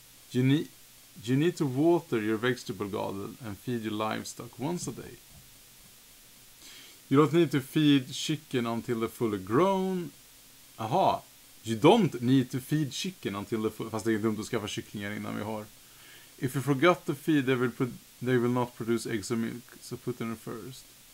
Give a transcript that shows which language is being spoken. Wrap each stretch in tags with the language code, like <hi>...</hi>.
<en>You need to water your vegetable garden and feed your livestock once a day. You don't need to feed chicken until they're fully grown. Aha, you don't need to feed chicken until they're fully...</en> <sv>Fast det är dumt att skaffa kycklingar innan vi har...</sv> <en>If you forgot to feed, they will not produce eggs or milk, so put them in first.</en>